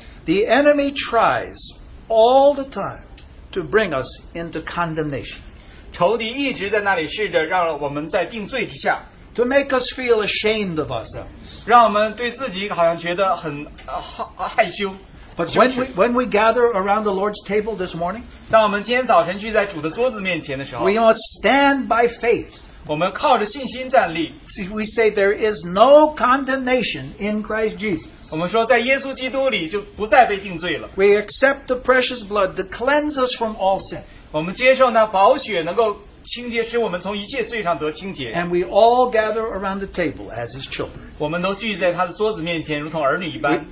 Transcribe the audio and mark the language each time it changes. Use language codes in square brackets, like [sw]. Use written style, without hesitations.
[en] The enemy tries all the time to bring us into condemnation. [zh] 仇敌一直在那里试着让我们在定罪之下。 [en] To make us feel ashamed of ourselves. [zh] 让我们对自己好像觉得很害羞。 [en] But when we gather around the Lord's table this morning, [zh] 当我们今天早晨聚在主的桌子面前的时候, [en] we must stand by faith. [zh] 我们靠着信心站立。 [en] See, we say there is no condemnation in Christ Jesus. [zh] 我们说在耶稣基督里就不再被定罪了。 [en] We accept the precious blood to cleanse us from all sin. [zh] 我们接受那宝血能够 清洁使我们从一切罪上得清洁。 [en] And we all gather around the table as his children. [zh] 我们都聚在他的桌子面前如同儿女一般。